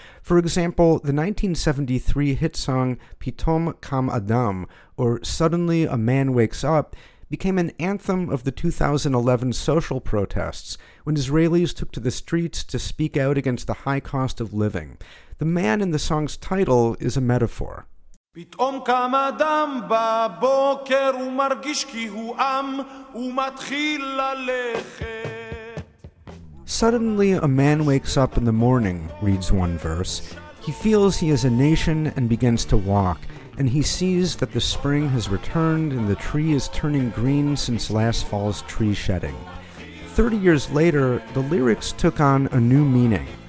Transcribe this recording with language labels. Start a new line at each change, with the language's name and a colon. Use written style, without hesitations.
English: For example, the 1973 hit song Pitom Kam Adam, or Suddenly a Man Wakes Up, became an anthem of the 2011 social protests when Israelis took to the streets to speak out against the high cost of living. The man in the song's title is a metaphor.
Hebrew: פתאום קם אדם בבוקר, הוא מרגיש כי הוא עם, הוא מתחיל ללכת.
English: Suddenly a man wakes up in the morning, reads one verse. He feels he is a nation and begins to walk, and he sees that the spring has returned and the tree is turning green since last fall's tree shedding. 30 years later, the lyrics took on a new meaning.